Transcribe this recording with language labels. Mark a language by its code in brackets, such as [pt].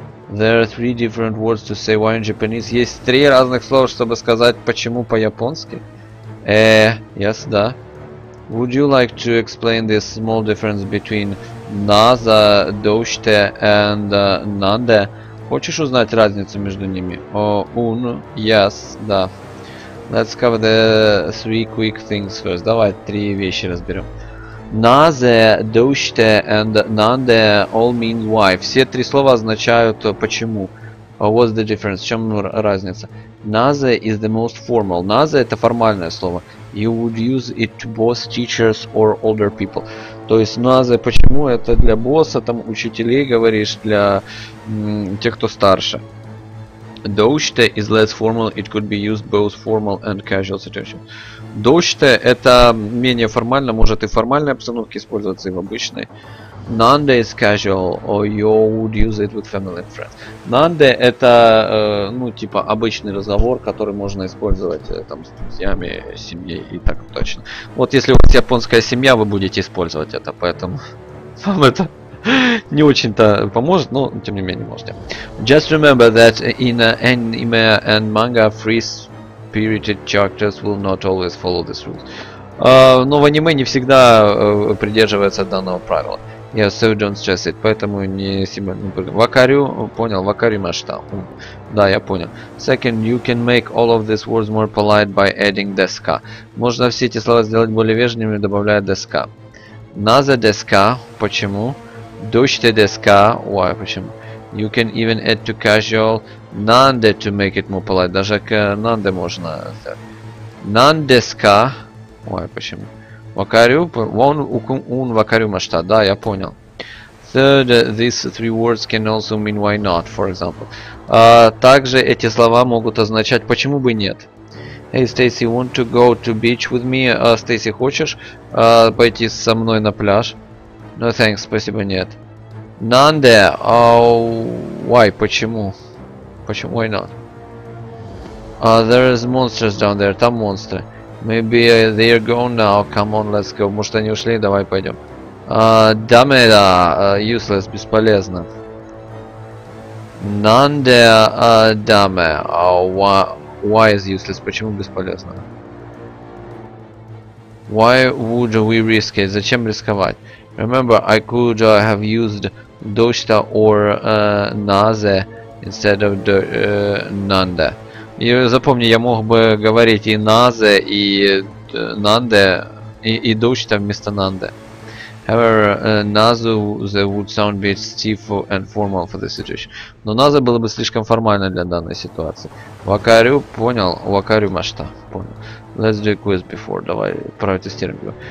[en] There are three different words to say why in Japanese. [ru] Есть три разных слова, чтобы сказать почему по-японски. [en] Yes, да. Would you like to explain this small difference between Naza, Doshite and Nande? [ru] Хочешь узнать разницу между ними? [en] Un, yes, да. Let's cover the three quick things first. [ru] Давай три вещи разберем. [en] Naze, doshite and nande all mean why. [ru] Все три слова означают почему. [en] What's the difference? [ru] В чем разница? [en] Naze is the most formal. [ru] Naze — это формальное слово. [en] You would use it to boss teachers or older people. [ru] То есть naze — почему — это для босса, там учителей говоришь, для тех, кто старше. [en] Doshite is less formal, it could be used both formal and casual situation. [ru] Doshite — это менее формально, может и в формальной обстановке использоваться, и в обычной. [en] Nande is casual, or you would use it with family and friends. [ru] Nande — это, ну, типа, обычный разговор, который можно использовать там с друзьями, семьей и так точно. Вот если у вас японская семья, вы будете использовать это, поэтому вам это не очень-то поможет, но тем не менее можете. [en] Just remember that in anime and manga, free-spirited characters will not always follow this rule. [ru] Но в аниме не всегда придерживается данного правила. [en] Yeah, so don't stress it. [ru] Поэтому не сильно... [ja] Вакарю, понял, вакарю машта. [ru] Да, я понял. [en] Second, you can make all of these words more polite by adding deska. [ru] Можно все эти слова сделать более вежливыми, добавляя deska. [ja] Naze deska, почему? Doshite deska, why, почему? [en] You can even add to casual nande to make it more polite. [ru] Даже к nande можно сделать. Nandeska, why, почему? [ja] Вакарю, он вакарю машта, [ru] да, я понял. [en] Third, these three words can also mean why not, for example. [ru] Также эти слова могут означать почему бы нет. [en] Hey, Stacy, want to go to beach with me? [ru] Стейси, хочешь пойти со мной на пляж? [en] No thanks, [ru] спасибо, нет. [en] Nande, why, почему? Почему, why not? There is monsters down there, [ru] там монстры. [en] Maybe they are gone now, come on, let's go. [ru] Может, они ушли, давай пойдем. [en] Dameda, useless, бесполезно. Nande, dame, why? Why is useless? [ru] Почему бесполезно? [en] Why would we risk it? [ru] Зачем рисковать? [en] Remember, I could have used Doshta or Naze instead of Nande. [ru] И запомни, я мог бы говорить и Naze, и Nande, и Doshta вместо Nande. [en] However, Naze would sound a bit stiff and formal for the situation. [ru] Но Naze было бы слишком формально для данной ситуации. [en] Вакарю, понял? [ja] Вакарю машта. [en] Понял. Let's do a quiz before. [ru] Давай протестируем его.